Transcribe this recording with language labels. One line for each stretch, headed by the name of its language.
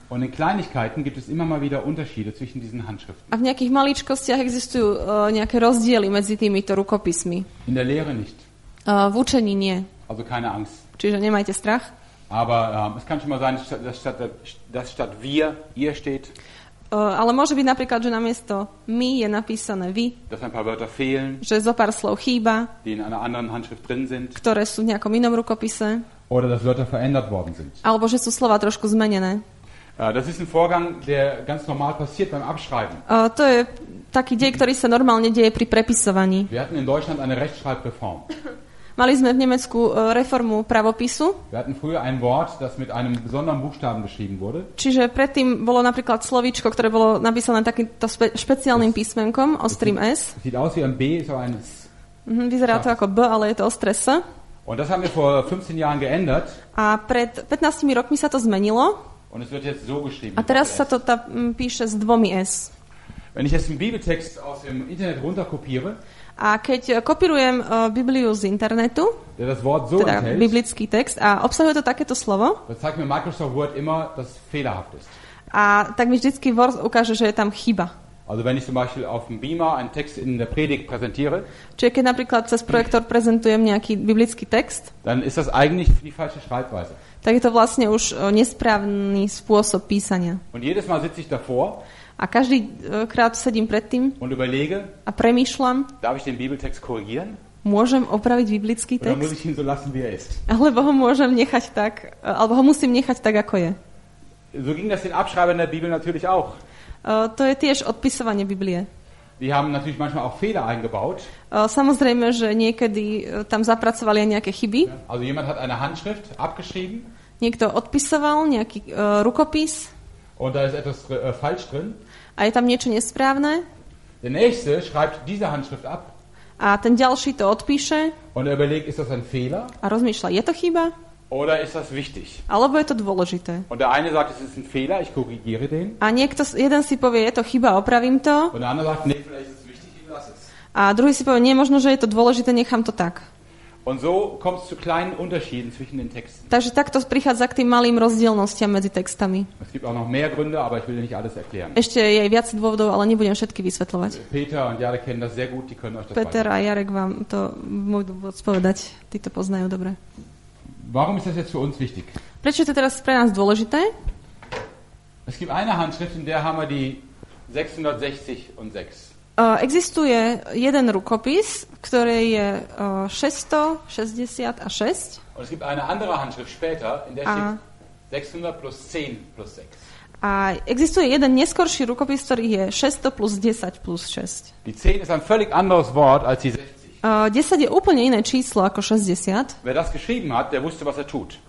German: Und in Kleinigkeiten gibt es immer mal wieder Unterschiede zwischen diesen Handschriften.
Slovak: A v nejakých maličkostiach existujú nejaké rozdiely medzi týmito rukopismi.
German: In der Lehre nicht.
Slovak: V učení nie.
German: Also keine Angst.
Slovak: Čiže nemajte strach.
German: Aber es kann schon mal sein, dass statt wir ihr steht.
Slovak: Ale môže byť napríklad, že namiesto my je napísané vy.
German: Dass ein paar Wörter fehlen.
Slovak: Že zo pár slov chýba.
German: Die in einer anderen Handschrift drin sind.
Slovak: Ktoré sú v nejakom inom rukopise.
German: Oder dass Wörter verändert worden sind.
Slovak: Alebo že sú slova trošku zmenené.
German: Das ist ein Vorgang, der ganz normal passiert beim Abschreiben.
Slovak: To je taký dej, ktorý sa normálne deje pri prepisovaní.
German: Wir hatten in Deutschland eine Rechtschreibreform.
Slovak: Mali sme v Nemecku reformu pravopisu.
German: Wir hatten früher ein Wort, das mit einem besonderen Buchstaben geschrieben wurde.
Slovak: Čiže predtým bolo napríklad slovíčko, ktoré bolo napísané takýmto špeciálnym písmenkom, ostrým S.
German: Sieht aus wie ein B, ist aber ein S.
Slovak: Vyzerá to ako B, ale je to ostré S.
German: Und das haben wir vor 15 Jahren geändert.
Slovak: A pred 15 rokmi sa to zmenilo.
German: Und es wird jetzt so geschrieben.
Slovak: A teraz sa to píše s dvomi S.
German: Wenn ich jetzt einen Bibeltext aus dem Internet runterkopiere,
Slovak: a keď kopírujem Bibliu z internetu,
German: das Wort so
Slovak: teda
German: enthält,
Slovak: biblický text, a obsahuje to takéto slovo,
German: das zeigt mir Microsoft Word immer, dass fehlerhaft ist.
Slovak: A tak mi vždycky Word ukáže, že je tam chyba.
German: Also wenn ich zum Beispiel auf dem Beamer einen Text in der Predigt präsentiere,
Slovak: čiže keď napríklad cez projektor prezentujem nejaký biblický text,
German: dann ist das eigentlich für die falsche Schreibweise.
Slovak: Tak je to vlastne už nesprávny spôsob písania.
German: Und jedes Mal sitze ich davor,
Slovak: a každý krát sedím pred tým
German: und überlege,
Slovak: a premýšľam,
German: darf ich den Bibeltext korrigieren?
Slovak: Môžem opraviť biblický text?
German: Oder muss ich ihn so lassen, wie er ist?
Slovak: Alebo ho môžem nechať tak, alebo ho musím nechať tak, ako je.
German: So ging das den Abschreibern der Bibel natürlich auch.
Slovak: To je tiež odpisovanie Biblie.
German: Die haben natürlich manchmal auch Fehler eingebaut.
Slovak: Samozrejme, že niekedy tam zapracovali aj nejaké chyby.
German: Also jemand hat eine Handschrift abgeschrieben.
Slovak: Niekto odpisoval nejaký rukopis.
German: Und da ist etwas falsch drin.
Slovak: A je tam niečo nesprávne.
German: Der nächste schreibt diese Handschrift ab.
Slovak: A ten ďalší to odpíše.
German: Und überlegt, ist das ein Fehler?
Slovak: A rozmýšľa, je to chyba?
German: Oder ist das wichtig?
Slovak: Alebo je to dôležité?
German: Und der eine sagt, es ist ein Fehler, ich korrigiere den.
Slovak: A niekto, jeden si povie, je to chyba, opravím to.
German: Und der andere sagt, nee, vielleicht ist es wichtig, ich lasse es.
Slovak: A druhý si povie, nie, možno, že je to dôležité, nechám to tak.
German: Und so kommt es zu kleinen Unterschieden zwischen den Texten.
Slovak: Takže takto prichádza k tým malým rozdielnostiam medzi textami.
German: Es gibt auch noch mehr Gründe, aber ich will nicht alles erklären.
Slovak: Ešte je aj viac dôvodov, ale nebudem všetky vysvetľovať.
German: Peter und Jarek kennen das sehr gut, die können euch das
Slovak: Peter a Jarek vám to môžu odpovedať. Tí to poznajú dobre.
German: Warum ist das jetzt für uns wichtig?
Slovak: Prečo je to teraz pre nás dôležité?
German: Es gibt eine Handschrift, in der haben wir die 660 und 6.
Slovak: Existuje jeden rukopis, ktorý je 666.
German: Und es gibt eine andere Handschrift später, in der steht 600 plus 10 plus 6.
Slovak: A existuje jeden neskorší rukopis, ktorý je 600 plus 10 plus 6.
German: Die 10 ist ein völlig anderes Wort als die 60.
Slovak: 10 je úplne iné číslo ako 60.
German: Wer das geschrieben hat, der wusste, was er tut.